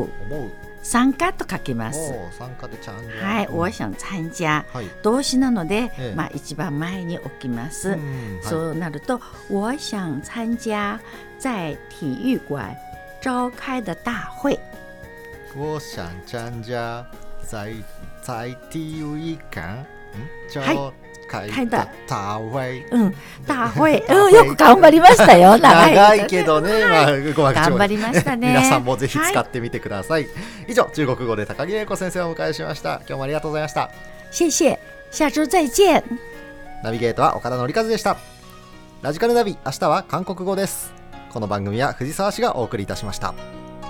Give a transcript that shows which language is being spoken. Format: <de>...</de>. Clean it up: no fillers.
<ja>思う、参加と書きます。参加でちゃん</ja> <zh>じゃ、はい、我想参加、</zh> <ja>はい、動詞なので、まあ、一番前に置きます。そうなると、はい、</ja> <zh>我想参加在体育馆召开的大会。我想参加 在体育馆召开的大会、</zh> <ja>はい、大会、よく頑張りましたよ。長いけどね、はい、まあ、頑張りましたね。皆さんもぜひ使ってみてください。はい、以上、中国語で高木玲子先生をお迎えしました。今日もありがとうございました。</ja> <zh>谢谢、下周再见。</zh> <ja>ナビゲートは岡田紀一でした。ラジカルナビ、明日は韓国語です。この番組は藤沢氏がお送りいたしました。</ja>